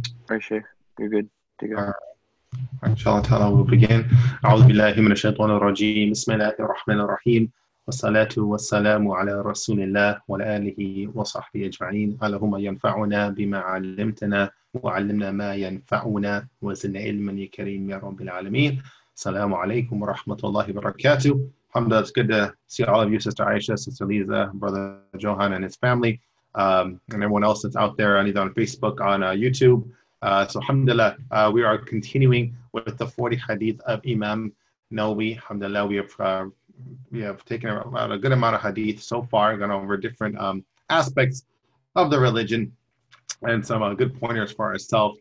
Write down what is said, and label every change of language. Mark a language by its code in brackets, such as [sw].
[ar] أي شيخ، [en] you're good to go. [ar] إن شاء الله تعالى [en] we'll begin. [ar] أعوذ بالله من الشيطان الرجيم. بسم الله الرحمن الرحيم. والصلاة والسلام على رسول الله وعلى آله وصحبه أجمعين. اللهم ينفعنا بما علمتنا وعلمنا ما ينفعنا وزدنا علما يا كريم يا رب العالمين. السلام عليكم ورحمة الله وبركاته. [en] Alhamdulillah, it's good to see all of you, Sister Aisha, Sister Lisa, Brother Johan and his family, and everyone else that's out there, either on Facebook, on YouTube. So alhamdulillah, we are continuing with the 40 hadith of Imam Nawawi. Alhamdulillah, we have taken about a good amount of hadith so far, gone over different aspects of the religion, and some good pointers for ourselves.